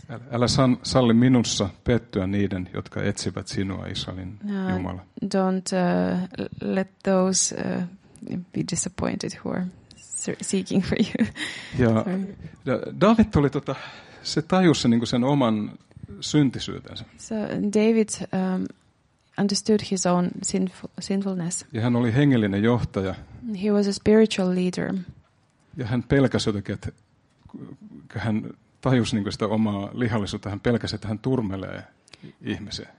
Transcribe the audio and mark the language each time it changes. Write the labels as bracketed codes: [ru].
[fi] Älä salli minussa pettyä niiden, jotka etsivät sinua, Israelin Jumala. [en] Don't let those be disappointed who are seeking for you. [fi] Ja David oli se tajusi niinku sen oman syntisyytensä. [en] So David understood his own sinfulness. [fi] Ja hän oli hengellinen johtaja. [en] He was a spiritual leader. [fi] Ja hän pelkäsi jotenkin, että hän tajusi niinku sitä omaa lihallisuutta, hän pelkäsi, että hän turmelee ihmisiä.